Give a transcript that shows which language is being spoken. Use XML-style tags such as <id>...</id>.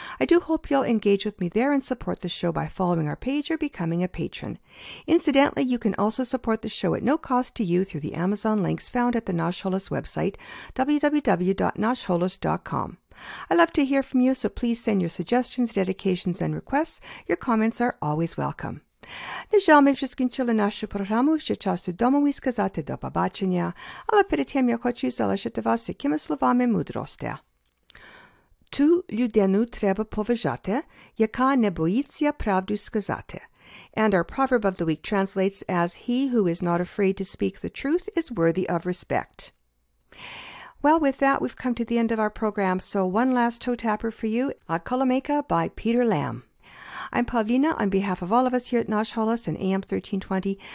<en>I do hope you'll engage with me there and support the show by following our page or becoming a patron. Incidentally, you can also support the show at no cost to you through the Amazon links found at the Nash Holos website, www.nashholos.com. I love to hear from you, so please send your suggestions, dedications, and requests. Your comments are always welcome.</en> <uk>На жаль, ми закінчили нашу програму, ще час додому і сказати до побачення. Але перед тим я хочу залишити вас якими словами мудрості. Ту людину треба поважати, яка не боїться правду сказати.</uk> <en>And our proverb of the week translates as, he who is not afraid to speak the truth is worthy of respect. Well, with that, we've come to the end of our program, so one last toe-tapper for you, A Kolomeka by Peter Lamb. I'm Pavlina, on behalf of all of us here at Nash Holos and AM 1320.</en>